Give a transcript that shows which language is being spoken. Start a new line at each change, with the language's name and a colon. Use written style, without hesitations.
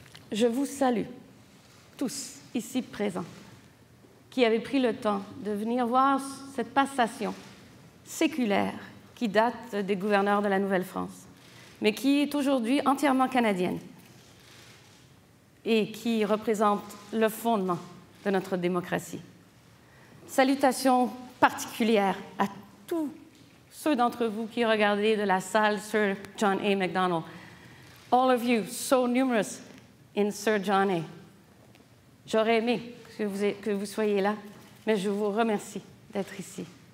French: Je vous salue tous ici présents qui avez pris le temps de venir voir cette passation séculaire qui date des gouverneurs de la Nouvelle-France, mais qui est aujourd'hui entièrement canadienne et qui représente le fondement de notre démocratie. Salutations particulières à tous ceux d'entre vous qui regardez de la salle Sir John A. Macdonald.
English: All of you, so numerous in Sir John A.
French: J'aurais aimé que vous soyez là, mais je vous remercie d'être ici.